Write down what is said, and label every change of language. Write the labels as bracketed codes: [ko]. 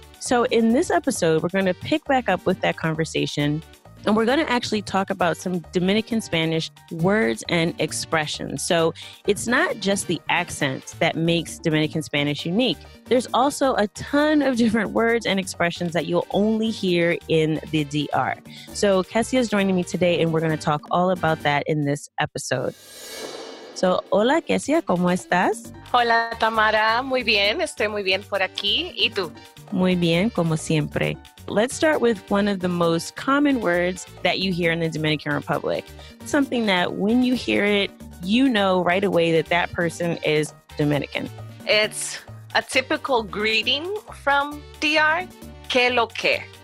[en] So in this episode, we're going to pick back up with that conversation, and we're going to actually talk about some Dominican Spanish words and expressions. So it's not just the accent that makes Dominican Spanish unique. There's also a ton of different words and expressions that you'll only hear in the DR. So Kesia is joining me today, and we're going to talk all about that in this episode. [es] So, hola, Kesia, ¿cómo estás? Hola, Tamara, muy bien, estoy muy bien por aquí, ¿y tú? Muy bien, como siempre. [en] Let's start with one of the most common words that you hear in the Dominican Republic. Something that when you hear it, you know right away that that person is Dominican. It's a typical greeting from DR, [es] que lo que.